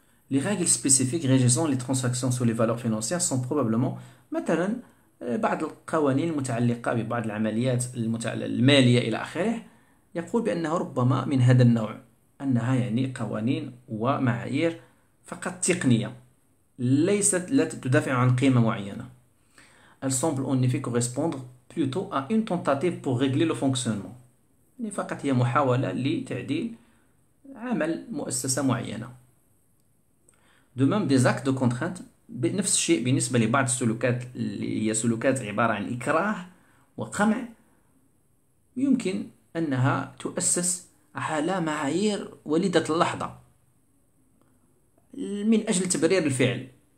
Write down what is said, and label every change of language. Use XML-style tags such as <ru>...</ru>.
<fr>Les règles spécifiques régissant les transactions sur les valeurs financières sont probablement, مثلا,</fr> <ar>بعض القوانين المتعلقة ببعض العمليات المالية إلى آخره. يقول بأنه ربما من هذا النوع، أنها يعني قوانين ومعايير فقط تقنية، ليست لا تدافع عن قيمة معينة.</ar> <fr>Elles semblent en effet correspondre plutôt à une tentative pour régler le fonctionnement.</fr> <ar>يعني فقط هي محاولة لتعديل عمل مؤسسة معينة.</ar> <fr>De même, des actes de contrainte,</fr> <ar>بنفس الشيء بالنسبة لبعض السلوكات اللي هي سلوكات عبارة عن إكراه وقمع، يمكن أنها تؤسس على معايير وليدة اللحظة من أجل تبرير الفعل.</ar>